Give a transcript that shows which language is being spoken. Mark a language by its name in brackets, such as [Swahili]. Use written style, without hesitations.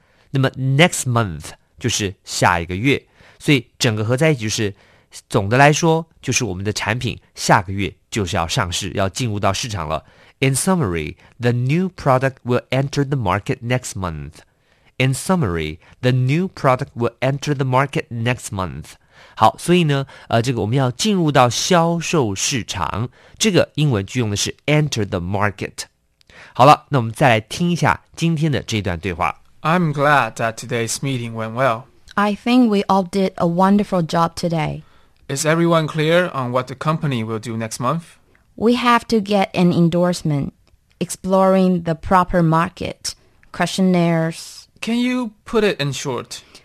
[Chinese] 那么 next month 就是下一个月，所以整个合在一起就是，总的来说就是我们的产品下个月就是要上市，要进入到市场了。 [English] In summary, the new product will enter the market next month. In summary, the new product will enter the market next month. [Chinese] 好，所以呢，这个我们要进入到销售市场，这个英文句用的是 [English] enter the market. [Chinese] 好了，那我们再来听一下今天的这段对话。 [English] I'm glad that today's meeting went well. I think we all did a wonderful job today. Is everyone clear on what the company will do next month? We have to get an endorsement, exploring the proper market, questionnaires. Can you put it in short?